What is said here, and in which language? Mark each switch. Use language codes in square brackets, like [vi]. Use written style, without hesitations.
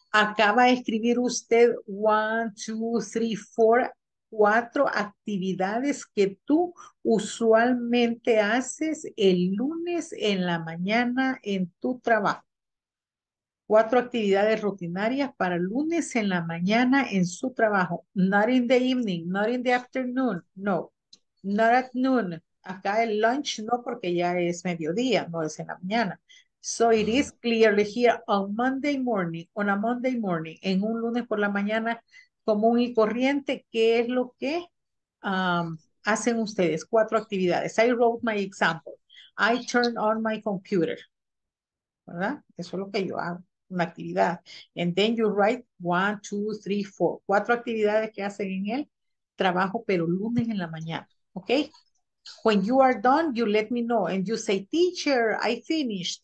[es] Acaba de escribir usted 1, 2, 3, 4, 4 actividades que tú usualmente haces el lunes en la mañana en tu trabajo. 4 actividades rutinarias para lunes en la mañana en su trabajo. [en] Not in the evening, not in the afternoon, no. Not at noon. [es] Acá el lunch, no, porque ya es mediodía, no es en la mañana. [en] So it is clearly here on Monday morning, [es] on a Monday morning, en un lunes por la mañana común y corriente, ¿qué es lo que hacen ustedes? 4 actividades. [en] I wrote my example. I turn on my computer. ¿Verdad? [es] Eso es lo que yo hago, una actividad. [en] And then you write 1, 2, 3, 4. [es] 4 actividades que hacen en el trabajo, pero lunes en la mañana. [en] Okay? When you are done, you let me know and you say, teacher, I finished.